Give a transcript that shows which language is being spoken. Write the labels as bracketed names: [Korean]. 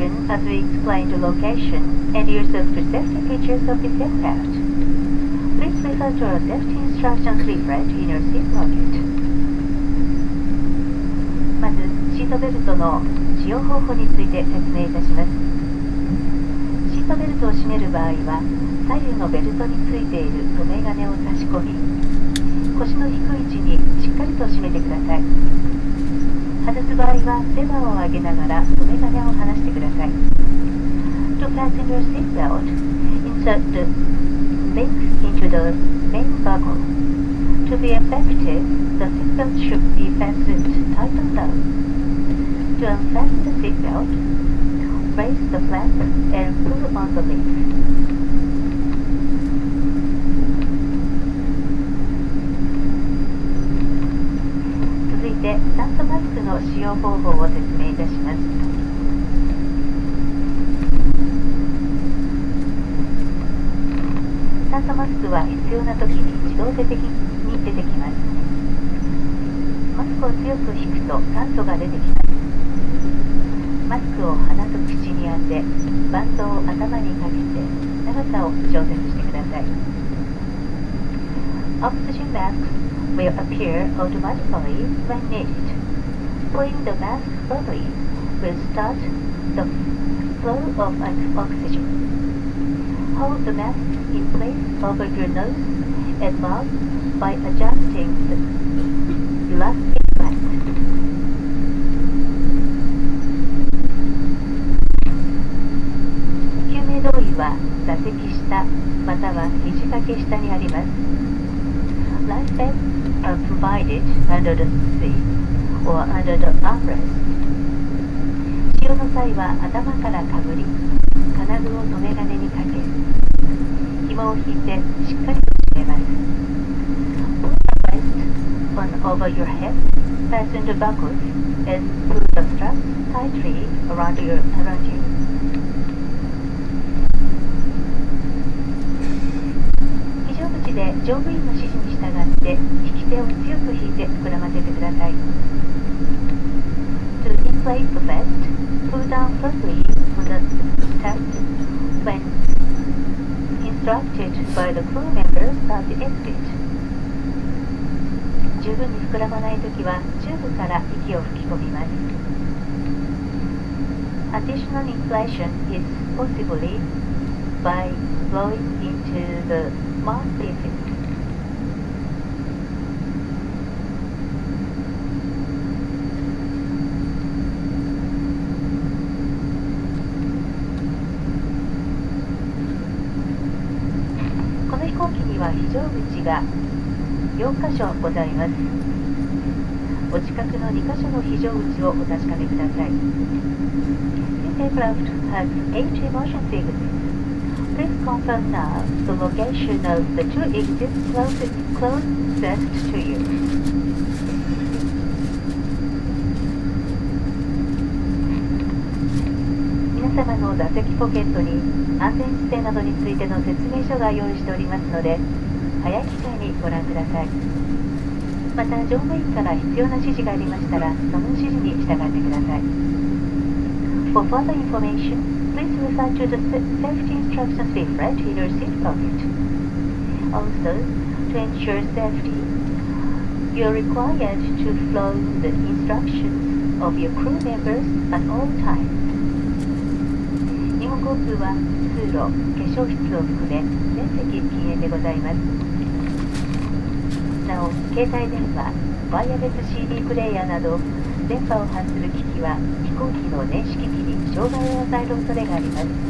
[English] Location and use of the safety features of this aircraft. Please refer to our safety instructions leaflet in your seat pocket. [Japanese] まずシートベルトの使用方法について説明いたします。シートベルトを締める場合は左右のベルトについている留め金を差し込み腰の低い位置にしっかりと締めてください。外す場合はレバーを上げながら留め金を離してください。 [English] To fasten your seatbelt, insert the link into the main buckle. To be effective, the seatbelt should be fastened tight and low. To unfasten the seatbelt, raise the flap and pull on the link. [Japanese] 続いて、酸素マスクの使用方法を説明いたします。酸素マスクは必要な時に自動的に出てきます。マスクを強く引くと酸素が出てきます。マスクを鼻と口に当てバンドを頭にかけて長さを調節してください。 [English] Oxygen masks will appear automatically when needed. Pulling the mask firmly will start the flow of oxygenHold the mask in place over your nose and mouth by adjusting the elastic band. [Japanese] 救命胴衣は座席下または肘掛け下にあります。 [English] Life vests are provided under the seat or under the armrest. [Japanese] 使用の際は頭からかぶり、金具を留め金にかけ、紐を引いてしっかりと締めます。 [English] Pull the vest on over your head, fasten the buckles and pull the straps tightly around you. [Japanese] 非常口で乗務員の指示に従って引き手を強く引いて膨らませてください。 [English] To inflate the vest, pull down firmly on the straps wheninstructed by the crew members at the exit. [Japanese] 十分に膨らまないときはチューブから息を吹き込みます。 [English] Additional inflation is possibly by blowing into the mouthpiece. [Japanese] 非常口が4箇所ございます。お近くの2箇所の非常口をお確かめください。 [English] This aircraft has 8 emergency exits. Please confirm now the location of the 2 exits closest to you. [Japanese] の座席ポケットに安全指定などについての説明書が用意しておりますので早い機会にご覧ください。また乗務員から必要な指示がありましたらその指示に従ってください。 [English] For further information, please refer to the safety instructions leaflet in your seat pocket. Also, to ensure safety, you are required to follow the instructions of your crew members at all times [Japanese] コースは通路、化粧室を含め全席禁煙でございます。なお携帯電話、ワイヤレス CD プレイヤーなど電波を発する機器は飛行機の電子機器に障害を与える恐れがあります。